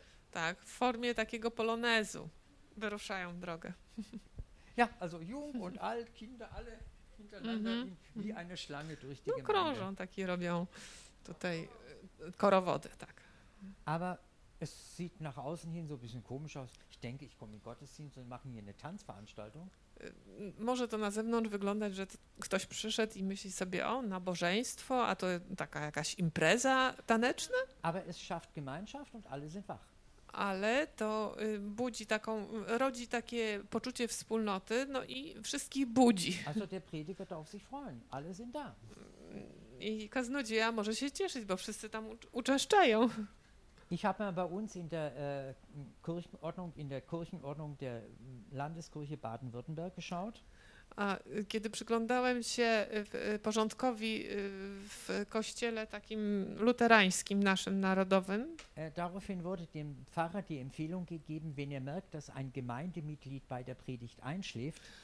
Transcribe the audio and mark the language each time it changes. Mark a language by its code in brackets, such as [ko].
[pl] Tak, w formie takiego polonezu wyruszają w drogę. [de] Ja, also jung und alt, Kinder alle hintereinander wie eine Schlange durch die Gemeinde. [pl] Krążą, takie robią tutaj korowody, tak. [de] Aber Es sieht nach außen hin so ein bisschen komisch aus. Ich denke, ich komme in Gottesdienst und machen hier eine Tanzveranstaltung. [pl] Może to na zewnątrz wyglądać, że ktoś przyszedł i myśli sobie, o, nabożeństwo, a to taka jakaś impreza taneczna. [de] Aber es schafft Gemeinschaft und alle sind wach. [pl] Ale to budzi taką, rodzi takie poczucie wspólnoty, no i wszystkich budzi. [de] Also der Prediger darf sich freuen, alle sind da. [pl] I kaznodzieja może się cieszyć, bo wszyscy tam uczęszczają. [de] Ich habe mal bei uns in der Kirchenordnung, in der Kirchenordnung der Landeskirche Baden-Württemberg geschaut. [pl] A kiedy przyglądałem się porządkowi w kościele takim luterańskim naszym narodowym, [de] daraufhin wurde dem Pfarrer die Empfehlung gegeben, wenn er merkt, dass ein Gemeindemitglied bei der Predigt einschläft.